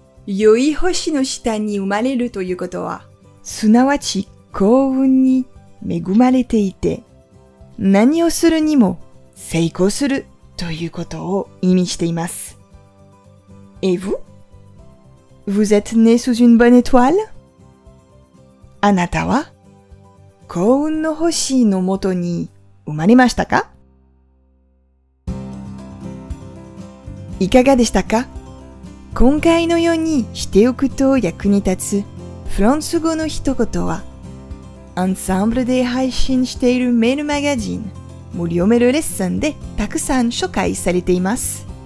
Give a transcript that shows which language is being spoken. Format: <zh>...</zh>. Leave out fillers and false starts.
<ja>良い星の下に生まれるということは、すなわち幸運に恵まれていて、何をするにも成功するということを意味しています。</ja> <fr>Et vous? Vous êtes né sous une bonne étoile?</fr> <ja>あなたは幸運の星のもとに生まれましたか？いかがでしたか？今回のようにしておくと役に立つフランス語の一言は、アンサンブルで配信しているメールマガジン、無料メールレッスンでたくさん紹介されています。</ja>